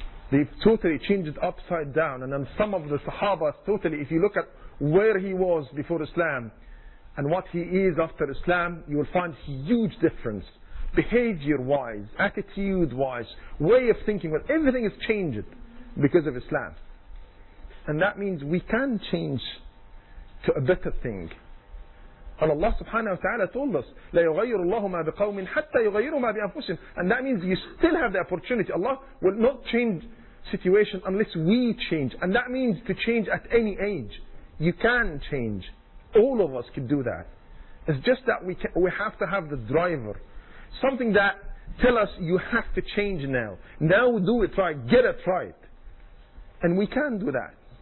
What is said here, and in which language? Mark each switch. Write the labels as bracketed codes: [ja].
[en] They've totally changed upside down. And then some of the Sahaba, totally, if you look at where he was before Islam and what he is after Islam, you will find huge difference. Behavior-wise, attitude-wise, way of thinking, well, everything has changed because of Islam. And that means we can change to a better thing. And Allah subhanahu wa ta'ala told us, [ar] لَا يُغَيِّرُ اللَّهُ مَا بِقَوْمٍ حَتَّى يُغَيِّرُوا مَا بِأَنفُسِهِمْ. [en] And that means you still have the opportunity. Allah will not change situation unless we change. And that means to change at any age. You can change. All of us can do that. It's just that we have to have the driver. Something that tell us you have to change now. Now do it right. Get it right. And we can do that.